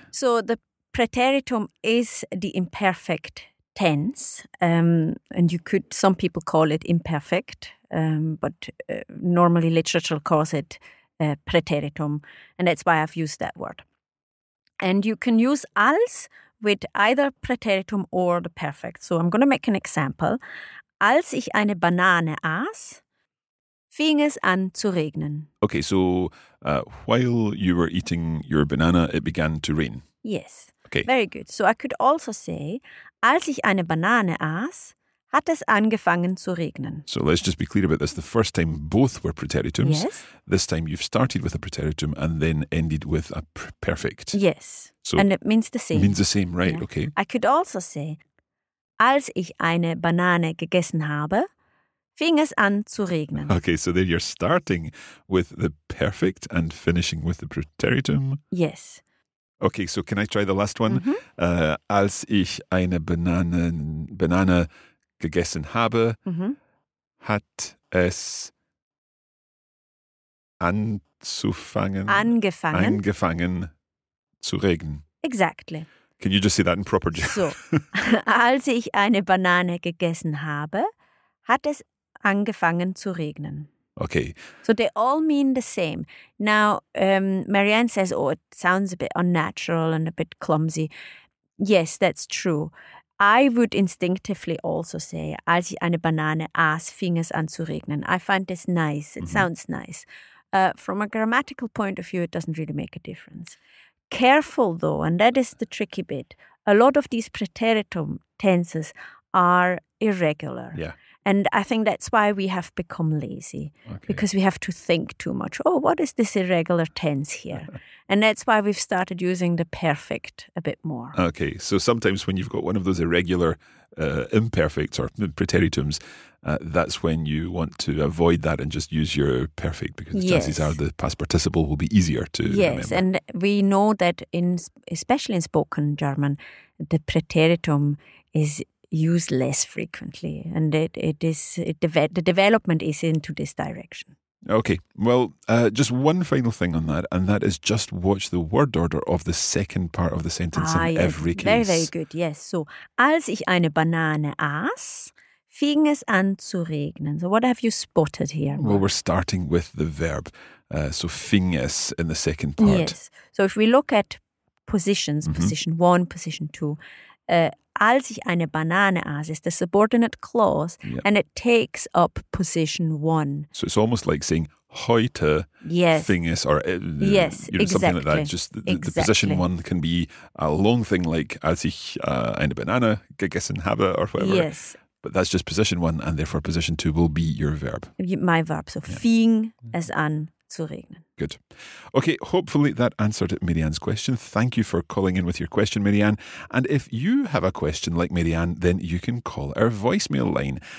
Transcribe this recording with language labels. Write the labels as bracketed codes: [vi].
[en] So the preteritum is the imperfect tense, and you could, some people call it imperfect, but normally literature calls it preteritum, and that's why I've used that word. And you can use als with either preteritum or the perfect. So I'm going to make an example. [de] Als ich eine Banane aß, fing es an zu regnen. [en] Okay, so while you were eating your banana, it began to rain. Yes. Okay. Very good. So I could also say, [de] als ich eine Banane aß, hat es angefangen zu regnen. [en] So let's just be clear about this. The first time both were preteritums. Yes. This time you've started with a preteritum and then ended with a perfect. Yes. So, and it means the same. Means the same, right, yeah. Okay. [de] I could also say, als ich eine Banane gegessen habe, fing es an zu regnen. [en] Okay, so there you're starting with the perfect and finishing with the preteritum. Yes. Okay, so can I try the last one? Mm-hmm. [de] Als ich eine Banane gegessen habe, mm-hmm. hat es angefangen zu regnen. [en] Exactly. Can you just say that in proper German? [de] So, als ich eine Banane gegessen habe, hat es angefangen zu regnen. [en] Okay. So they all mean the same. Now, Marianne says, oh, it sounds a bit unnatural and a bit clumsy. Yes, that's true. I would instinctively also say, [de] als ich eine Banane aß, fing es an zu regnen. [en] I find this nice. It mm-hmm. sounds nice. From a grammatical point of view, it doesn't really make a difference. Careful, though, and that is the tricky bit. A lot of these preteritum tenses are irregular. Yeah. And I think that's why we have become lazy, because we have to think too much. Oh, what is this irregular tense here? And that's why we've started using the perfect a bit more. Okay, so sometimes when you've got one of those irregular imperfects or preteritums, that's when you want to avoid that and just use your perfect, because yes. chances are the past participle will be easier to remember. Yes, and we know that especially in spoken German, the preteritum is used less frequently, and the development is into this direction. Okay, well, just one final thing on that, and that is just watch the word order of the second part of the sentence every case. Very, very good, yes. [de] So, als ich eine Banane aß, fing es an zu regnen. [en] So what have you spotted here? Mark? Well, we're starting with the verb. So [de] fing es [en] in the second part. Yes. So if we look at positions, mm-hmm. position one, position two, [de] als ich eine Banane aß, [en] is the subordinate clause, yeah. And it takes up position one. So it's almost like saying heute, yes. Thing is, or yes, you know, exactly. Something like that. Just exactly. The position one can be a long thing like [de] als ich eine Banane gegessen habe [en] or whatever. Yes. But that's just position one, and therefore position two will be your verb. My verb. So yeah. [de] Fing es an zu regnen. [en] Good. Okay, hopefully that answered Marianne's question. Thank you for calling in with your question, Marianne. And if you have a question like Marianne, then you can call our voicemail line.